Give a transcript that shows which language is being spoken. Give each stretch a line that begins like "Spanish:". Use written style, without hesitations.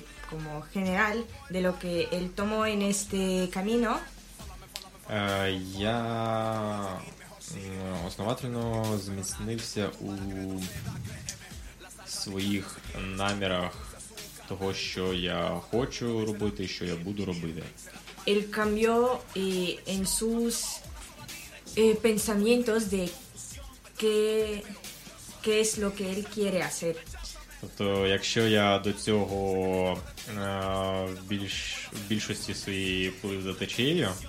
Spanish: como general de lo que él tomó en este camino.
Ukrainian: Я основательно зміцнився у своїх намірах того, що я хочу робити, що я буду робити.
Spanish: Él cambió en sus pensamientos de qué es lo que él quiere hacer.
Ukrainian: Тобто, якщо я до цього в більшості своєї плив за течією.